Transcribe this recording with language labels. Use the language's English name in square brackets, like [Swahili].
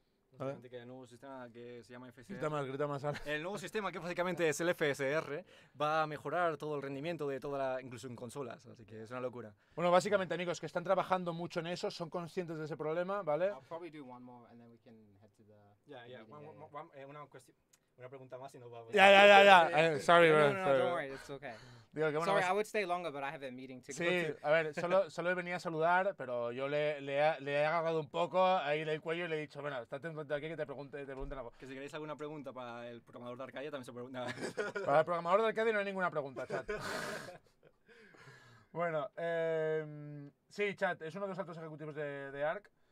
[Spanish] Que el nuevo sistema que se llama FSR. Grita más, el nuevo sistema que básicamente es el FSR va a mejorar todo el rendimiento de toda la, incluso en consolas, así que es una locura. Bueno, básicamente, amigos, que están trabajando mucho en eso, son conscientes de ese problema, ¿vale? [English] I'll probably do one more and then we can head to the [Spanish] Una cuestión. una pregunta más y nos vamos. [English] Sorry, bro. No, don't worry, it's okay. Sorry, I would stay longer, but I have a meeting to go to. [Spanish] Sí, a ver, solo venía a saludar, pero yo le he agarrado un poco ahí del cuello y le he dicho, bueno, estate en cuenta aquí que te pregunte algo. Que si queréis alguna pregunta para el programador de Arcadia, también se pregunta. Para el programador de Arcadia no hay ninguna pregunta, chat. Bueno, sí, chat, es uno de los altos ejecutivos de ARC.